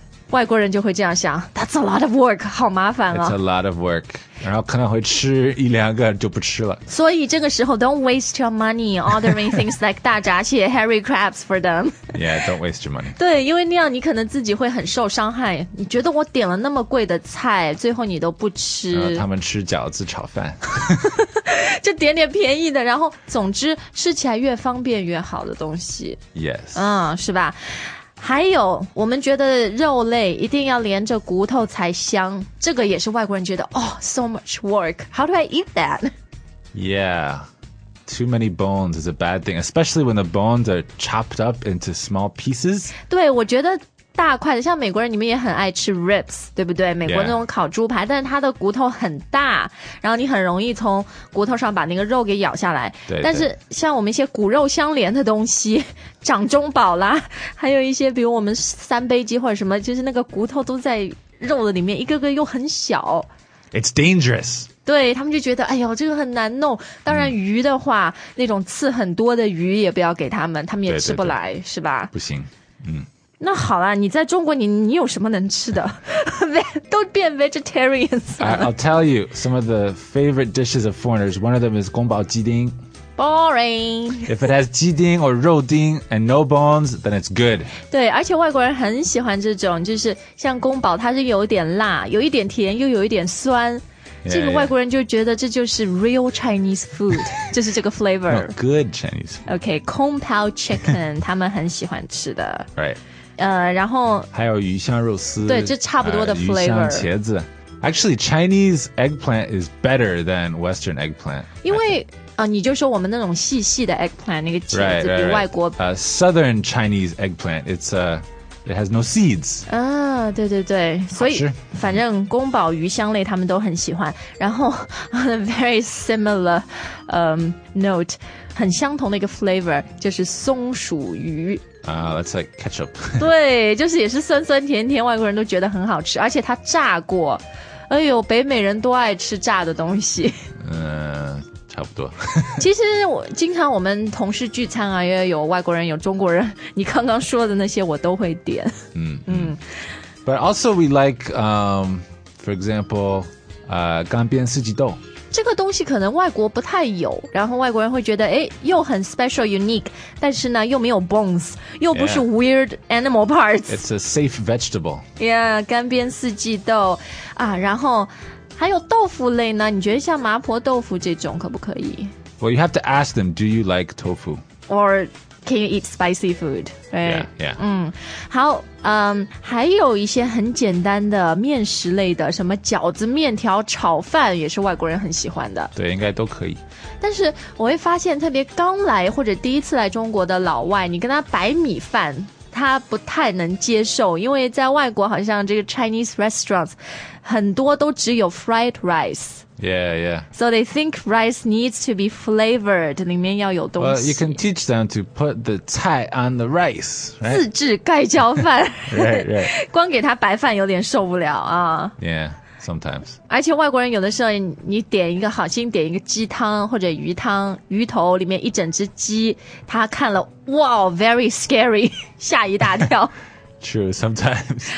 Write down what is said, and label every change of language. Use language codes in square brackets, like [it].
[zh] 外国人就会这样想 [en] That's a lot of work [zh] 好麻烦啊 [en] It's a lot of work [zh] 然后可能会吃一两个就不吃了所以这个时候 [en] Don't waste your money ordering things like 大闸蟹 hairy crabs for them Yeah, don't waste your money [zh] 对因为那样你可能自己会很受伤害你觉得我点了那么贵的菜最后你都不吃然后他们吃饺子炒饭就点点便宜的然后总之吃起来越方便越好的东西 [en] Yes [zh] 是吧还有我们觉得肉类一定要连着骨头才香这个也是外国人觉得 [en] Oh, so much work How do I eat that? Yeah Too many bones is a bad thing Especially when the bones are chopped up into small pieces [zh] 对我觉得大块的像美国人你们也很爱吃 ribs 对不对美国那种烤猪排、 [en] yeah. [zh] 但是它的骨头很大然后你很容易从骨头上把那个肉给咬下来对对但是像我们一些骨肉相连的东西掌中宝啦还有一些比如我们三杯鸡或者什么就是那个骨头都在肉的里面一个个又很小 [en] It's dangerous [zh] 对他们就觉得哎呦这个很难弄当然鱼的话、那种刺很多的鱼也不要给他们他们也吃不来对对对是吧不行那好啦你在中国你有什么能吃的都变 vegetarians [en] I'll tell you some of the favorite dishes of foreigners one of them is 宫保鸡丁 boring if it has 鸡丁 or 肉丁 and no bones then it's good [zh] 对而且外国人很喜欢这种就是像宫保它是有点辣有一点甜又有一点酸 [en] yeah, [zh] 这个外国人就觉得这就是 [en] real Chinese food [zh] 就是这个 flavor [en] no, good Chinese food [zh] OK 宫保 chicken 他们很喜欢吃的 [en] right [zh] 然后还有鱼香肉丝对这差不多的 flavor [en] 鱼香茄子 Actually Chinese eggplant is better than Western eggplant [zh] 因为你就说我们那种细细的 eggplant 那个茄子 [en] right, right, [zh] 比外国 [en] Southern Chinese eggplant it has no seeds [zh] 对对对，所以反正宫保鱼香类他们都很喜欢。然后 [en] on a very similar note, [zh] 很相同的一个 flavor 就是松鼠鱼。 [en] That's like ketchup. [zh] 对，就是也是酸酸甜甜，外国人都觉得很好吃，而且它炸过。哎呦，北美人都爱吃炸的东西。差不多。其实我经常我们同事聚餐啊，也有外国人，有中国人。你刚刚说的那些，我都会点。嗯嗯。 [en] But also we like, for example, 干煸四季豆。 [zh] 这个东西可能外国不太有，然后外国人会觉得诶又很 [en] special unique, [zh] 但是呢又没有 bones, 又不是 [en] weird animal parts. It's a safe vegetable. [zh] Yeah, 干煸四季豆啊，然后还有豆腐类呢，你觉得像麻婆豆腐这种可不可以？ [en] Well, you have to ask them, do you like tofu? Or can you eat spicy food? Right? Yeah, yeah. [zh] 嗯，好，还有一些很简单的面食类的，什么饺子、面条、炒饭也是外国人很喜欢的。对，应该都可以。但是我会发现，特别刚来或者第一次来中国的老外，你跟他白米饭，他不太能接受，因为在外国好像这个 Chinese restaurants 很多都只有 fried rice。 [en] Yeah, yeah. So they think rice needs to be flavored. [zh] 里面要有东西。 [en] Well, you can teach them to put the 菜 on the rice, right? [zh] 自制盖浇饭。 [en] Right, right. [zh] 光给他白饭有点受不了啊。 [en] Yeah, sometimes. [zh] 而且外国人有的时候你点一个好心点一个鸡汤或者鱼汤，鱼头里面一整只鸡，他看了，哇、wow, [en] very scary, [zh] 吓一大跳。 [en] True, sometimes.